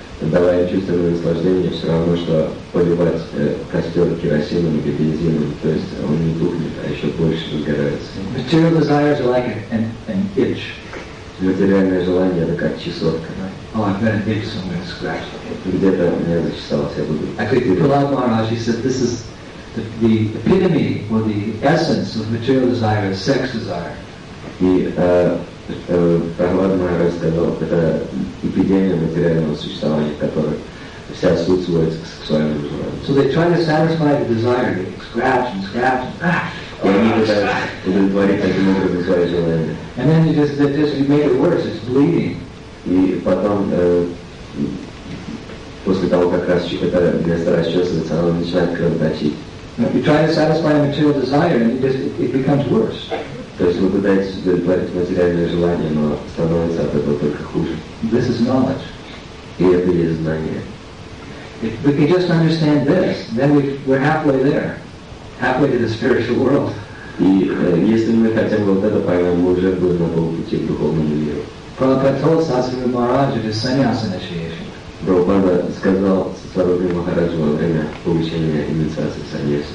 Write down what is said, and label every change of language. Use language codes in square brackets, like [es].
[ru] давая чувственное наслаждение, все равно, что поливать костер керосином или бензином, то есть он не тухнет, а еще больше выгорается. [en] Material desires are like an itch. [ru] Материальное желание – это как чесотка. [en] Oh, I've got an itch, so I'm going to scratch it. [ru] Где-то у меня зачесалось, я буду... [en] Actually, Prahlad Maharaj, he said, this is the epitome, or the essence of material desire, sex desire. [ru] И Прохлад Майор сказал, это эпидемия материального существования, которая вся суть сводится к сексуальному желанию. [en] So they try to satisfy the desire, they scratch and scratch and ah! [ru] И они пытаются удовлетворить таким образом свои желания. [en] And then you just you made it worse, it's bleeding. [ru] И потом, после того, как раз это место расчесывается, оно начинает кровоточить. [en] You try to satisfy material desire and it becomes worse. [ru] То есть вы пытаетесь удовлетворить материальное желание, но становится от этого только хуже. [en] This is knowledge. [ru] И это и есть знание. [en] If we can just understand this, then we're halfway there. Halfway to the spiritual world. [ru] И если мы хотя бы вот это поймем, мы уже будем на полпути к духовному миру. [en] Prabhupada told Sasaru Maharaj at his sannyas initiation. [ru] Prabhupada сказал Сасаруби Махараджу во время получения инициации саньяс.